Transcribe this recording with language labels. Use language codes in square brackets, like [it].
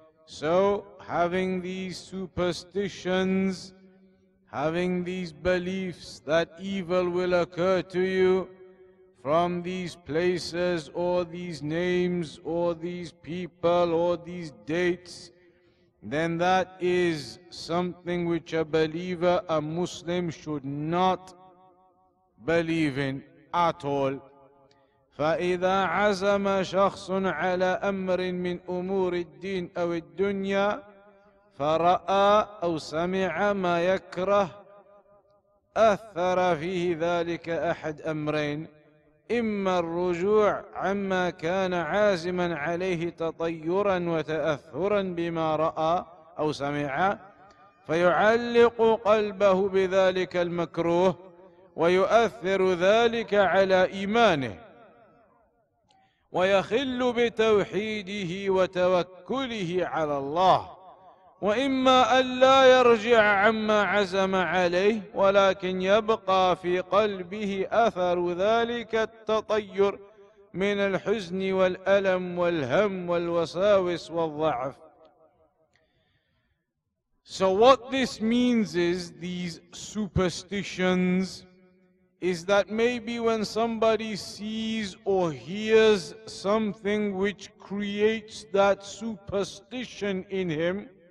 [en] So, having these superstitions, having these beliefs that evil will occur to you from these places or these names or these people or these dates, then that is something which a believer, a Muslim, should not believe in at all. [ar] فَإِذَا عَزَمَ شَخْصٌ عَلَىٰ أَمْرٍ مِّنْ أُمُورِ الدِّينِ أَوِ الدُّنْيَا فرأى أو سمع ما يكره أثر فيه ذلك أحد أمرين، إما الرجوع عما كان عازما عليه تطيرا وتأثرا بما رأى أو سمع فيعلق قلبه بذلك المكروه ويؤثر ذلك على إيمانه ويخل بتوحيده وتوكله على الله، وإما أن لا يرجع عما عزم عليه ولكن يبقى في قلبه أثر ذلك التطير من الحزن والألم والهم والوساوس والضعف. [en] So what this means is, these superstitions, is that maybe when somebody sees or hears something which creates that superstition in him,